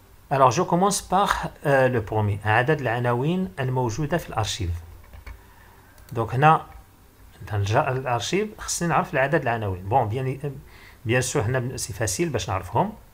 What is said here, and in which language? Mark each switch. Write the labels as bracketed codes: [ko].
[fr] Alors, je commence par le premier. [ar] عدد العناوين الموجودة في الأرشيف. Donc, هنا دانجا الأرشيف خصني نعرف عدد العناوين. [fr] Bon, bien sûr, c'est facile, [ar] باش نعرفهم.